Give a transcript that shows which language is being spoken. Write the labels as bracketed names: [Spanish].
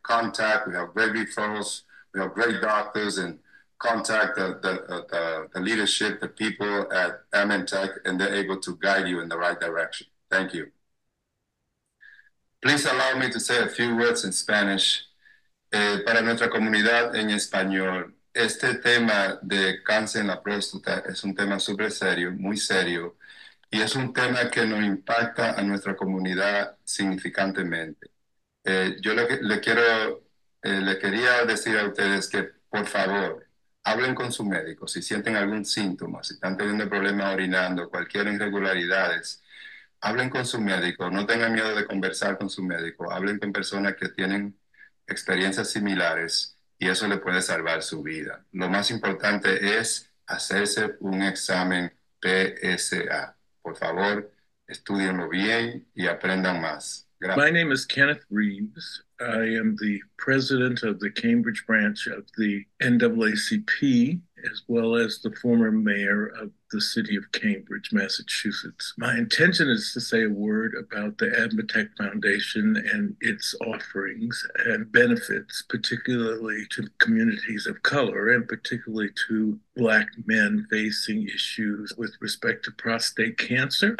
[English] Contact, we have great referrals, we have great doctors, and contact the leadership, the people at AdMeTech, and they're able to guide you in the right direction. Thank you. Please allow me to say a few words in Spanish. [Spanish] Para nuestra comunidad en español, este tema de cáncer en la próstata es un tema súper serio, muy serio, y es un tema que nos impacta a nuestra comunidad significantemente. Yo le quería decir a ustedes que, por favor, hablen con su médico si sienten algún síntoma, si están teniendo problemas orinando, cualquier irregularidades, hablen con su médico, no tengan miedo de conversar con su médico, hablen con personas que tienen experiencias similares y eso le puede salvar su vida. Lo más importante es hacerse un examen PSA. Por favor, estudienlo bien y aprendan más. [English] My name is Kenneth Reeves. I am the president of the Cambridge branch of the NAACP, as well as the former mayor of the city of Cambridge, Massachusetts. My intention is to say a word about the AdMeTech Foundation and its offerings and benefits, particularly to communities of color and particularly to Black men facing issues with respect to prostate cancer.